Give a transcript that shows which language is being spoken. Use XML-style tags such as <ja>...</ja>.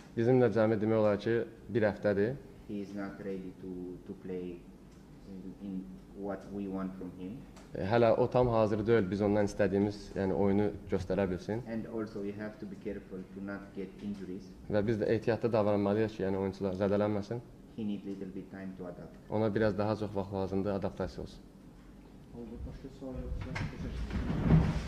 <az>Bizim də cəmi demək olar ki bir həftədir.</az> <en>He is not ready to play in what we want from him.</en> <az>Hələ o tam hazır deyil biz ondan istədiyimiz yani oyunu göstərə bilsin.</az> <en>And also we have to be careful to not get injuries.</en> <az>Və biz də ehtiyatlı davranmalıyıq ki yani oyunçular zədələnməsin.</az> <en>He need little bit time to adapt.</en> <az>Ona biraz daha çox vaxt lazımdır adaptasiya olsun. Oldu, başqa sual yoxsa? Təşəkkür edirəm.</az>